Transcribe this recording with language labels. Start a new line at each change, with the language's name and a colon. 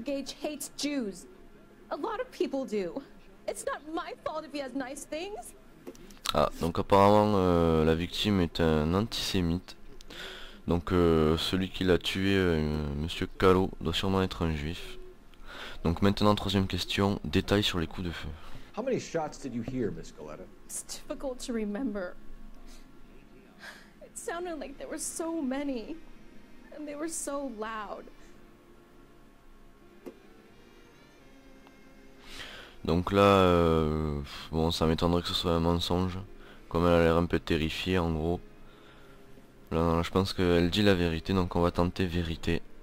English: Gage hates Jews. A lot of people do. It's not my fault if he has nice things.
French: Ah, donc apparemment la victime est un antisémite. Donc celui qui l'a tué, Monsieur Callot, doit sûrement être un juif. Donc maintenant, troisième question, détails sur les coups de feu.
English: How many shots did you hear, Miss Galetta? It's difficult to remember. It sounded like there were so many, and they were so loud.
French: Donc là, bon, ça m'étonnerait que ce soit un mensonge. Comme elle a l'air un peu terrifiée, en gros. Là, je pense qu'elle dit la vérité, donc on va tenter vérité.